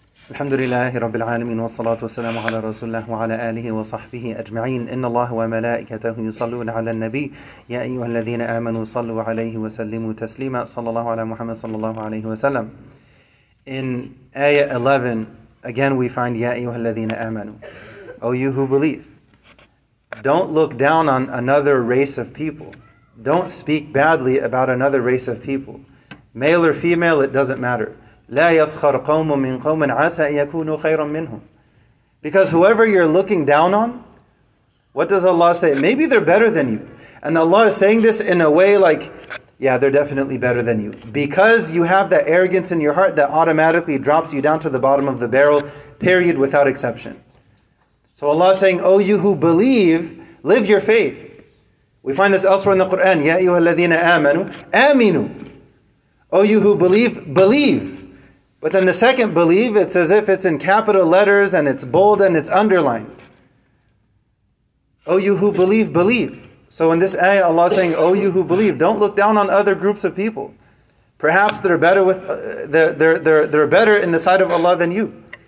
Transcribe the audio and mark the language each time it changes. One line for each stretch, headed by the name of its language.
Arabic: الحمد لله رب العالمين والصلاة والسلام على رسول الله وعلى آله وصحبه أجمعين إن الله وملائكته يصلون على النبي يا أيها الذين آمنوا صلوا عليه وسلموا تسليما صلى الله على محمد صلى الله عليه وسلم.
English: In ayah 11, again we find
Arabic: يا أيها الذين آمنوا,
English: O you who believe, don't look down on another race of people, don't speak badly about another race of people, male or female, it doesn't matter.
Arabic: لا يسخر قوم من قوم عسى يكونوا خيرا منهم.
English: Because whoever you're looking down on, what does Allah say? Maybe they're better than you. And Allah is saying this in a way like, yeah, they're definitely better than you. Because you have that arrogance in your heart that automatically drops you down to the bottom of the barrel, period, without exception. So Allah is saying, oh, you who believe, live your faith. We find this elsewhere in the Quran.
Arabic: يا أيها الذين آمنوا آمنوا.
English: Oh, you who believe, believe. But then the second believe, it's as if it's in capital letters and it's bold and it's underlined. Oh, you who believe, believe. So in this ayah, Allah is saying, oh, you who believe, don't look down on other groups of people. Perhaps they're better in the sight of Allah than you.